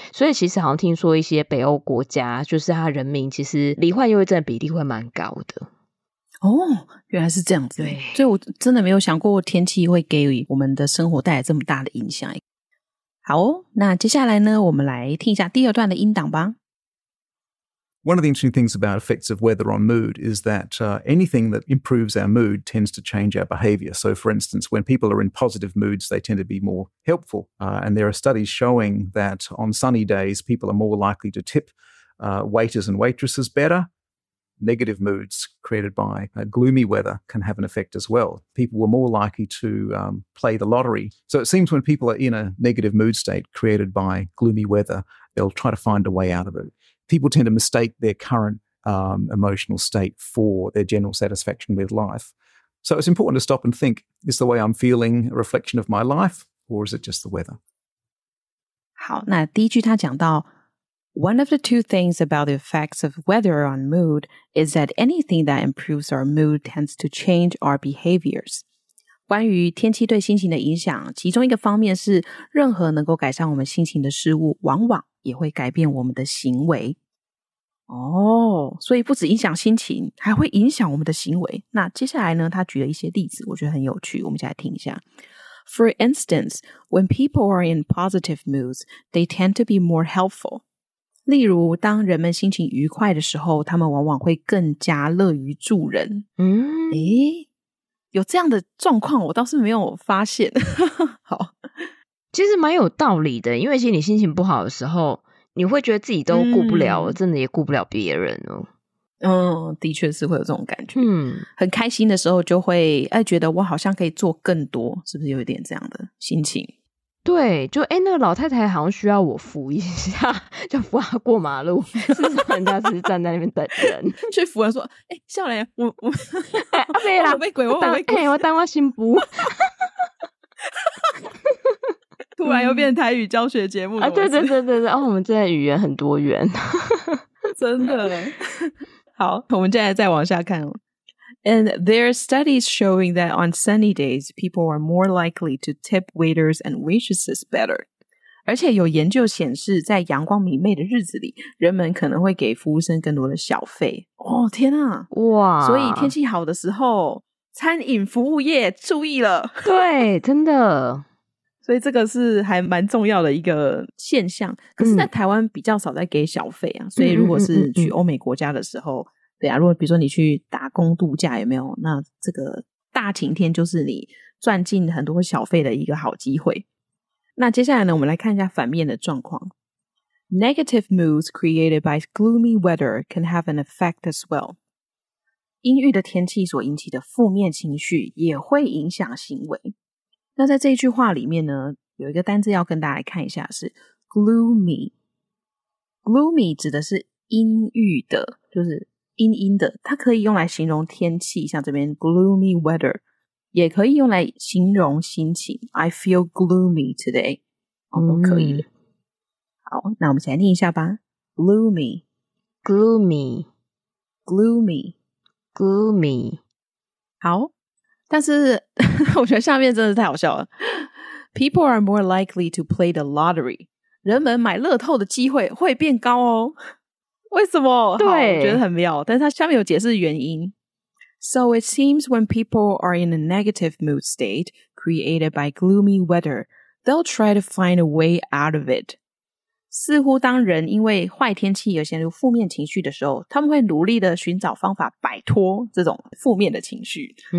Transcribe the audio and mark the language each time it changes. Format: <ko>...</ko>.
<zh>所以其实好像听说一些北欧国家就是它人民其实罹患忧郁症的比例会蛮高的。哦，原来是这样子。对，所以我真的没有想过天气会给我们的生活带来这么大的影响。好、哦、那接下来呢，我们来听一下第二段的音档吧。</zh> <en>One of the interesting things about effects of weather on mood is that、anything that improves our mood tends to change our behavior. So for instance, when people are in positive moods, they tend to be more helpful.、and there are studies showing that on sunny days, people are more likely to tip、waiters and waitresses better. Negative moods created by、gloomy weather can have an effect as well. People were more likely to、play the lottery. So it seems when people are in a negative mood state created by gloomy weather, they'll try to find a way out of it. People tend to mistake their current、emotional state for their general satisfaction with life. So it's important to stop and think, is the way I'm feeling a reflection of my life, or is it just the weather?</en> <zh>好，那第一句他讲到</zh> <en>One of the two things about the effects of weather on mood is that anything that improves our mood tends to change our behaviors.</en> <zh>关于天气对心情的影响，其中一个方面是任何能够改善我们心情的事物往往也会改变我们的行为。哦，所以不只影响心情，还会影响我们的行为。那接下来呢，他举了一些例子，我觉得很有趣，我们一起来听一下。</zh> <en>For instance, when people are in positive moods, they tend to be more helpful.</en> <zh>例如当人们心情愉快的时候，他们往往会更加乐于助人。嗯，诶，有这样的状况我倒是没有发现。好，其实蛮有道理的，因为其实你心情不好的时候你会觉得自己都顾不了、嗯、真的也顾不了别人哦。嗯，的确是会有这种感觉。嗯，很开心的时候就会哎觉得我好像可以做更多，是不是有一点这样的心情？对，就哎，那个老太太好像需要我扶一下，就扶她过马路，是不是人家只是站在那边等人去扶她说哎，笑脸，我阿伯啦，我被鬼，我被鬼，我当我心不突然又变台语教学节目、嗯、啊，对对对对对，哦，我们真的语言很多元。真的耶。好，我们接下来再往下看。</zh> <en>And there are studies showing that on sunny days, people are more likely to tip waiters and waitresses better.</en> <zh>而且有研究显示，在阳光明媚的日子里，人们可能会给服务生更多的小费。哦，天啊！哇！所以天气好的时候，餐饮服务业注意了。对，真的。所以这个是还蛮重要的一个现象，可是在台湾比较少在给小费啊，所以如果是去欧美国家的时候，对啊，如果比如说你去打工度假有没有，那这个大晴天就是你赚进很多小费的一个好机会。那接下来呢，我们来看一下反面的状况。</zh> <en>Negative moods created by gloomy weather can have an effect as well.</en> <zh>阴郁的天气所引起的负面情绪也会影响行为。那在这一句话里面呢，有一个单字要跟大家来看一下，是 gloomy。 gloomy 指的是阴郁的，就是阴阴的，它可以用来形容天气，像这边 gloomy weather， 也可以用来形容心情，</zh> <en>I feel gloomy today，</en> <zh>都可以。好，那我们先来念一下吧。</zh> <en>gloomy gloomy gloomy gloomy。</en> <zh>好，但是我觉得下面真的太好笑了。</zh> <en>People are more likely to play the lottery，</en> <zh>人们买乐透的机会会变高哦。为什么？对，我觉得很妙，但是他下面有解释原因。</zh> <en>So it seems when people are in a negative mood state created by gloomy weather, they'll try to find a way out of it.</en> <zh>似乎当人因为坏天气而陷入负面情绪的时候，他们会努力的寻找方法摆脱这种负面的情绪。</zh>